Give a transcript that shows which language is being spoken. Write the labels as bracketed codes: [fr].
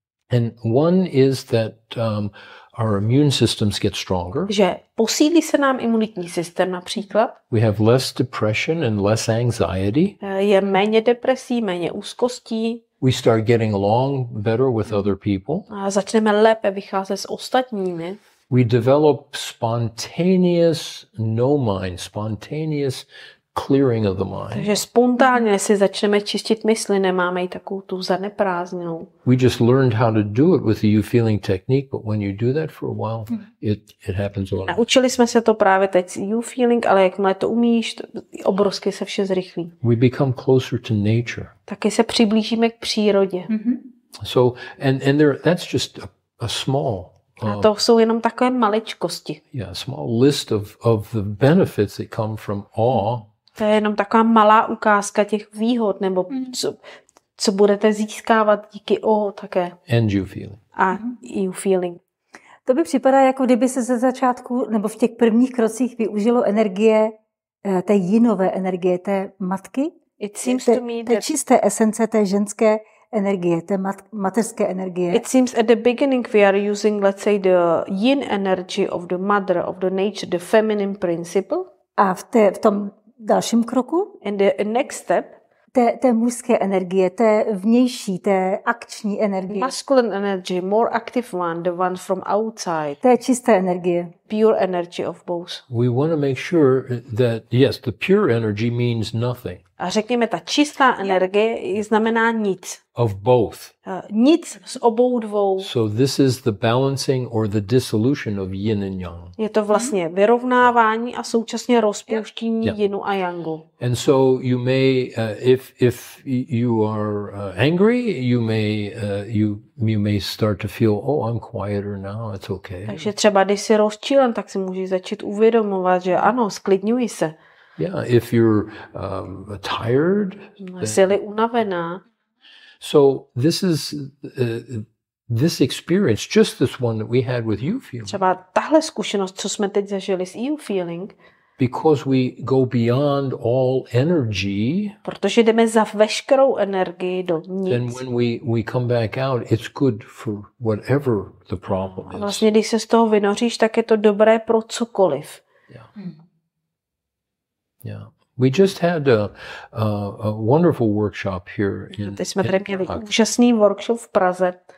[en] And one is that our immune systems get stronger. [cs] Že posílí se nám imunitní systém například. [en] We have less depression and less anxiety. [cs] Je méně depresí, méně úzkostí. [en] We start getting along better with other people. [cs] A začneme lépe vycházet s ostatními. [en] We develop spontaneous no mind, spontaneous clearing of the mind. [cs] Takže spontánně si začneme čistit mysli, nemáme ji takovou tu zaneprázdněnou. [en] We just learned how to do it with the you feeling technique, but when you do that for a while, it happens a lot. [cs] Naučili jsme se to právě teď you feeling, ale jakmile to umíš, obrovsky se vše zrychlí. [en] We become closer to nature. [cs] Taky se přiblížíme k přírodě. [en] So and there that's just a small. [cs] A to jsou jenom takové maličkosti. [en] Yeah, small list of the benefits that come from awe. [cs] To je jenom taková malá ukázka těch výhod, nebo co budete získávat díky oho také. [en] And you feeling. [cs] A you feeling. To by připadá, jako kdyby se ze začátku, nebo v těch prvních krocích využilo energie, té jinové energie, té matky. [en] It seems to me [cs] that... Té čisté esence, té ženské energie, té mateřské energie. [en] It seems at the beginning we are using, let's say, the yin energy of the mother, of the nature, the feminine principle. [cs] A v tom dalším kroku? [en] In the next step. [cs] Té mužské energie, té vnější, té akční energie. [en] Masculine energy, more active one, the one from outside. [cs] Té čisté energie. [en] Pure energy of both. We want to make sure that, yes, the pure energy means nothing. [cs] A řekněme, ta čistá energie znamená nic. [en] Of both. [cs] Nic z obou dvou. [en] So this is the balancing or the dissolution of yin and yang. [cs] Je to vlastně vyrovnávání a současně rozpouštění yinu a yangu. [en] And so you may if you are angry, you may start to feel, oh, I'm quieter now, it's okay. [cs] Takže třeba když jsi rozčílen, tak si můžeš začít uvědomovat, že ano, sklidňuji se. [en] Yeah, if you're tired. [cs] Jsi-li unavená. [en] So this is this experience, just this one that we had with you feeling. [cs] Třeba tahle zkušenost, co jsme teď zažili s you feeling. [en] Because we go beyond all energy. [cs] Protože jdeme za veškerou energii do nic. [en] Then when we come back out, it's good for whatever the problem is. [cs] Vlastně, když se z toho vynoříš, tak je to dobré pro cokoliv. [en] Yeah. We just had a wonderful workshop here in [cs] Teď jsme tady měli úžasný workshop v Praze.